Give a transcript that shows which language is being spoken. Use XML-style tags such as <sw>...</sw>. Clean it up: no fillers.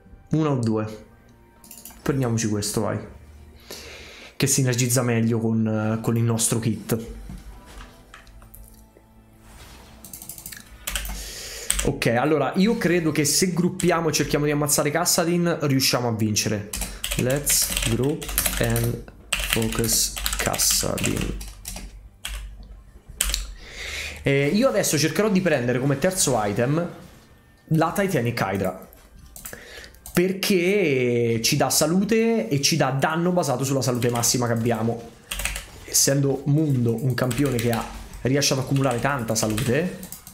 <it>Una o due. Prendiamoci questo, vai. Che sinergizza meglio con il nostro kit. Ok, allora io credo che se gruppiamo e cerchiamo di ammazzare Kassadin riusciamo a vincere.</it> <en>Let's group and focus Kassadin.</en> <it>Io adesso cercherò di prendere come terzo item la Titanic Hydra, perché ci dà salute e ci dà danno basato sulla salute massima che abbiamo. Essendo Mundo un campione che riesce ad accumulare tanta salute.</it>